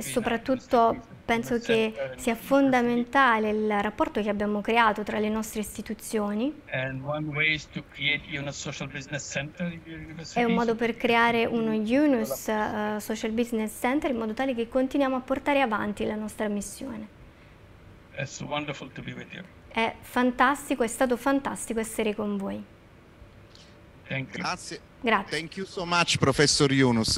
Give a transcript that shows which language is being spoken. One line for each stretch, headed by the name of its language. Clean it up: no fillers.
Italian: soprattutto penso che sia fondamentale il rapporto che abbiamo creato tra le nostre istituzioni.
English: And one way is to create a social business center in your university.
Italian: È un modo per creare uno UNUS social business center in modo tale che continuiamo a portare avanti la nostra missione.
English: It's wonderful to be with you.
Italian: È fantastico, è stato fantastico essere con voi. Grazie.
English: Thank you so much, Professor Yunus.